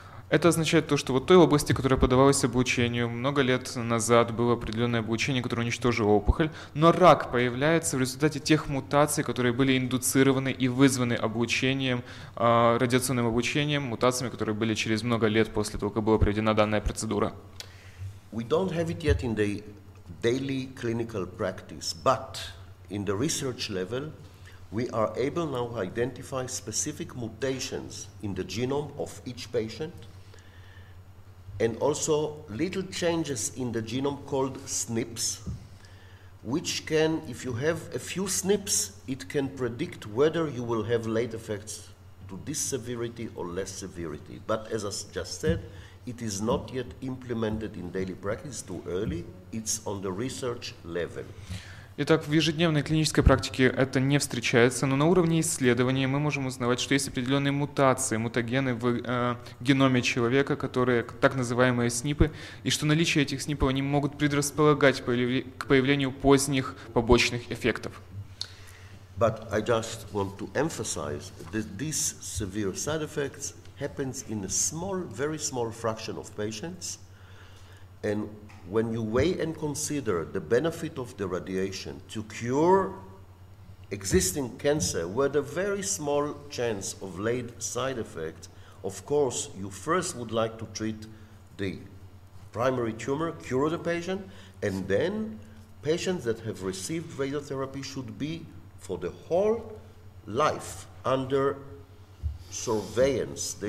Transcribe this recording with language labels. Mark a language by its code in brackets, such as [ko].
[ru] Это означает то, что вот той области, которая подавалась облучению, много лет назад было определенное облучение, которое уничтожило опухоль, но рак появляется в результате тех мутаций, которые были индуцированы и вызваны облучением, радиационным облучением, мутациями, которые были через много лет после того, как была проведена данная процедура. [en] We don't have it yet in the daily clinical practice, but in the research level, we are able now to identify specific mutations in the genome of each patient. And also little changes in the genome called SNPs, which can, if you have a few SNPs, it can predict whether you will have late effects to this severity or less severity. But as I just said, it is not yet implemented in daily practice too early. It's on the research level. [ru] Итак, в ежедневной клинической практике это не встречается, но на уровне исследований мы можем узнавать, что есть определенные мутации, мутагены в геноме человека, которые так называемые СНПы, и что наличие этих СНПов они могут предрасполагать к появлению поздних побочных эффектов. [en] But I just want to emphasize that these severe side effects happens in a small, very small fraction of patients. And when you weigh and consider the benefit of the radiation to cure existing cancer with a very small chance of late side effects, of course, you first would like to treat the primary tumor, cure the patient, and then patients that have received radiotherapy should be for the whole life under surveillance.